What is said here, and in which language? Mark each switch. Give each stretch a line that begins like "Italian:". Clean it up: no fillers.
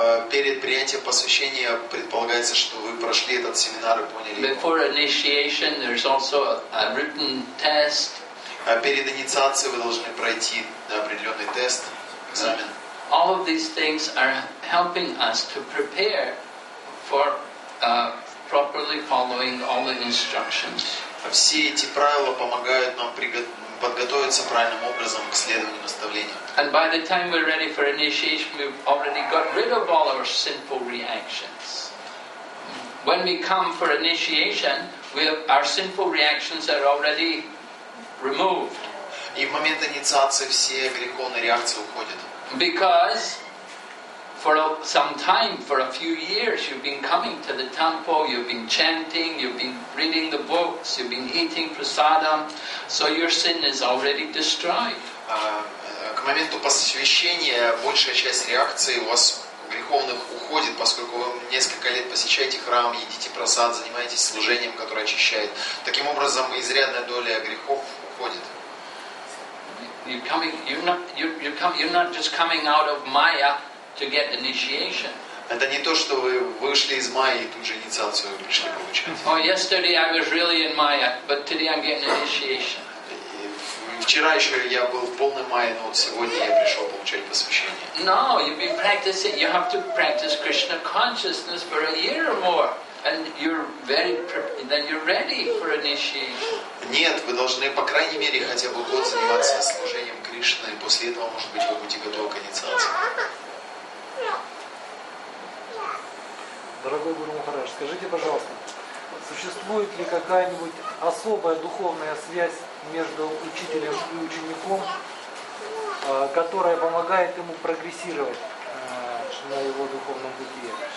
Russian: Перед принятием посвящения предполагается, что вы прошли этот семинар и поняли.
English: Before initiation, there's also a written test.
Russian: Перед инициацией вы должны пройти определенный тест, экзамен.
English: All of these things are helping us to prepare for properly following all the instructions.
Russian: Все эти правила помогают нам подготовиться правильным образом к следованию наставлениям.
English: And by the time we're ready for initiation, we've already got rid of all our sinful reactions. When we come for initiation, our sinful reactions are already removed.
Russian: И в момент инициации все греховные реакции уходят.
English: Because for some time, for a few years, you've been coming to the temple, you've been chanting, you've been reading the books, you've been eating prasadam, so your sin is already destroyed.
Russian: К моменту посвящения большая часть реакции у вас греховных уходит, поскольку вы несколько лет посещаете храм, едите прасад, занимаетесь служением, которое очищает. Таким образом, изрядная доля грехов уходит.
English: You're not just coming out of Maya to get initiation.
Russian: Это не то, что вы вышли из Майи и тут же инициацию пришли получать.
English: Oh, yesterday I was really in Maya, but today I'm getting initiation.
Russian: Вчера еще я был в полной Майе, но вот сегодня я пришел получать посвящение.
English: No, you've been practicing. You have to practice Krishna consciousness for a year or more, and you're ready for initiation.
Russian: Нет, вы должны по крайней мере хотя бы год заниматься служением Кришны, и после этого, может быть, вы будете готовы к инициации. Дорогой Гуру Махарадж, скажите, пожалуйста, существует ли какая-нибудь особая духовная связь между учителем и учеником, которая помогает ему прогрессировать на его духовном пути?